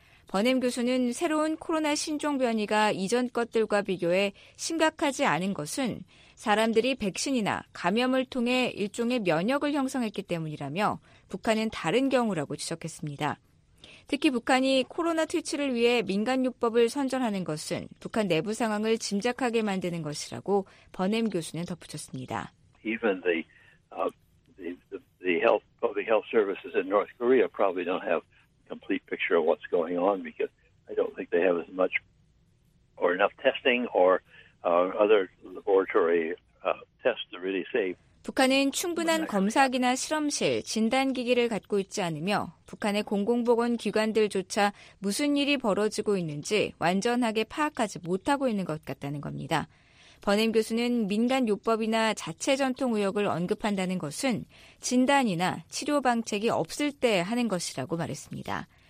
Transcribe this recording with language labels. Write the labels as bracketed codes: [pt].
[ko] 버넴 교수는 새로운 코로나 신종 변이가 이전 것들과 비교해 심각하지 않은 것은 사람들이 백신이나 감염을 통해 일종의 면역을 형성했기 때문이라며 북한은 다른 경우라고 지적했습니다. 특히 북한이 코로나 퇴치를 위해 민간요법을 선전하는 것은 북한 내부 상황을 짐작하게 만드는 것이라고 버넴 교수는 덧붙였습니다. [en] Even the public health services in North Korea probably don't have a complete picture of what's going on because I don't think they have as much or enough testing or other laboratory tests to really say. [ko] 북한은 충분한 검사기나 실험실, 진단기기를 갖고 있지 않으며 북한의 공공보건 기관들조차 무슨 일이 벌어지고 있는지 완전하게 파악하지 못하고 있는 것 같다는 겁니다. 버넴 교수는 민간요법이나 자체 전통 의학을 언급한다는 것은 진단이나 치료 방책이 없을 때 하는 것이라고 말했습니다.